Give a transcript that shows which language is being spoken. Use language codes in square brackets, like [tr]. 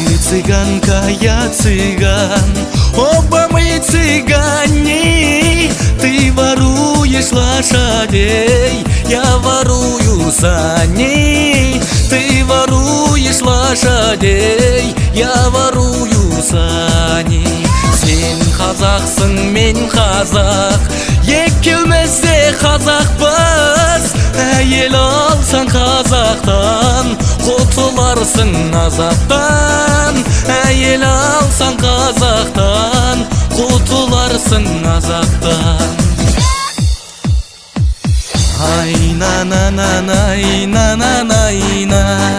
[ru] Цыганка, я цыган, оба мы цыгане. Ты воруешь лошадей, я ворую саней. Ты воруешь лошадей, я ворую саней. [kk] Сен қазақсын, мен қазақ, екеумізде қазақпыз. Әйел алсаң қазақтан, құтыларсың азаптан. Әйел алсаң қазақтан, құтыларсың азаптан. Ай-на-на-на-на, ай-на-на-на-на-на.